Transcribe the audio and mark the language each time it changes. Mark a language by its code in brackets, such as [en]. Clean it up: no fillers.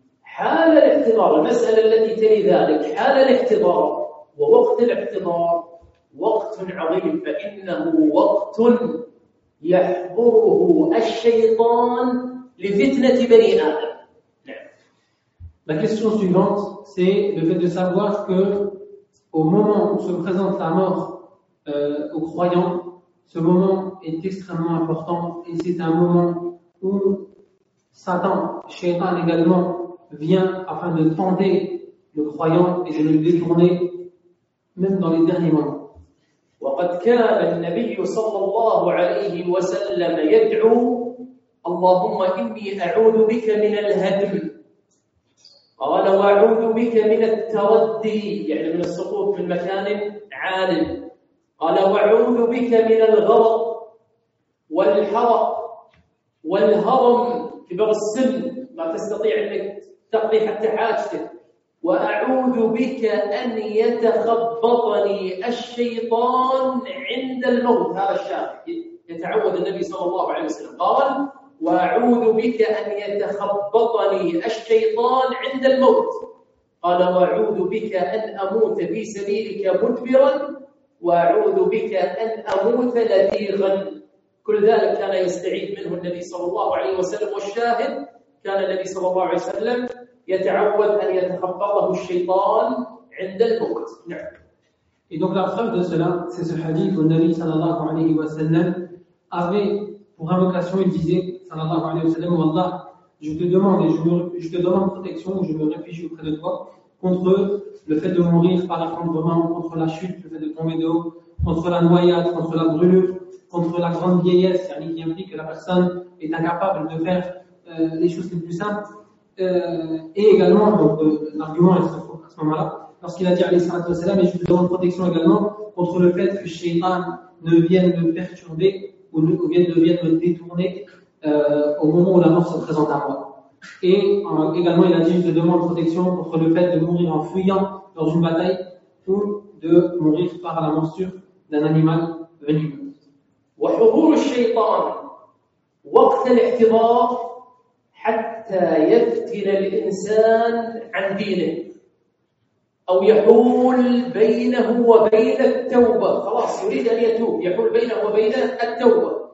[ar] حال الاحتضار المسألة التي تلي ذلك حال الاحتضار ووقت الاحتضار وقت عظيم فإنه وقت يحضره الشيطان لفتنة بني آدم. [fr] La question suivante, c'est le fait de savoir que au moment où se présente la mort aux croyants, ce moment est extrêmement important et c'est un moment où Satan, Shaitan également, vient afin de tenter le croyant et de le détourner, même dans les derniers moments. [ar] وَقَدْ كَانَ النَّبِيُّ صَلَّى اللَّهُ عَلَيْهِ وَسَلَّمَ يَدْعُو اللَّهُمَّ إِنِّي أَعُوذُ بِكَ مِنَ الْهَدْمِ قال وأعوذ بك من التردي يعني من السقوط من مكان عال قال وأعوذ بك من الغرق والحرق والهرم كبر السن ما تستطيع أنك تقضي حتى حاجتك وأعوذ بك أن يتخبطني الشيطان عند الموت هذا الشاهد يتعوذ النبي صلى الله عليه وسلم قال وأعوذ بك أن يتخبطني الشيطان عند الموت قال وأعوذ بك أن أموت في سبيلك مدبرا وأعوذ بك أن أموت لذيغا كل ذلك كان يستعيذ منه النبي صلى الله عليه وسلم والشاهد كان النبي صلى الله عليه وسلم يتعوذ أن يتخبطه الشيطان عند الموت. [fr] Et donc la preuve de cela, c'est ce hadith où [ar] النبي صلى الله عليه وسلم [fr] avait pour invocation, il disait, sallallahu alayhi wa sallam, Allah, je te demande et je te demande protection, je me réfugie auprès de toi contre le fait de mourir par effondrement, contre la chute, le fait de tomber de haut, contre la noyade, contre la brûlure, contre la grande vieillesse, c'est-à-dire qui implique que la personne est incapable de faire les choses les plus simples. Et également, donc, l'argument est à ce moment-là, lorsqu'il a dit alayhi sallallahu alayhi wa sallam, et je te demande protection également contre le fait que Shaitan ne vienne me perturber. Ou vient de me détourner au moment où la mort se présente à moi. Et également, il a dit, je te demande protection contre le fait de mourir en fuyant dans une bataille ou de mourir par la morsure d'un animal venimeux. [ar] وحضور الشيطان وقت الاحتضار حتى يفتن الإنسان عن دينه أو يحول بينه وبين التوبة خلاص يريد أن يتوب يحول بينه وبين التوبة